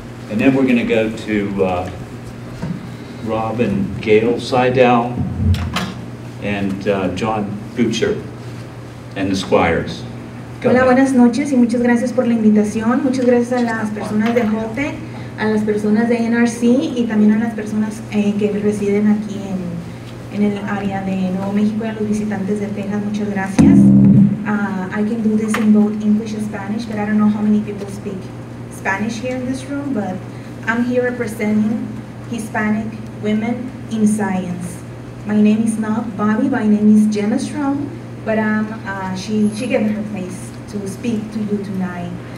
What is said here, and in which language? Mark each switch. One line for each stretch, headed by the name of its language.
English: And then we're going to go to Rob and Gail Seidel and John Butcher and the Squires.
Spanish: Hola, buenas noches y muchas gracias por la invitación. Muchas gracias a las personas de Holtec, a las personas de NRC y también a las personas que residen aquí en el área de Nuevo México y a los visitantes de Texas. Muchas gracias.
English: I can do this in both English and Spanish, but I don't know how many people speak Spanish here in this room, but I'm here representing Hispanic women in science. My name is not Bobby, my name is Jenna Strong, but she gave her place to speak to you tonight.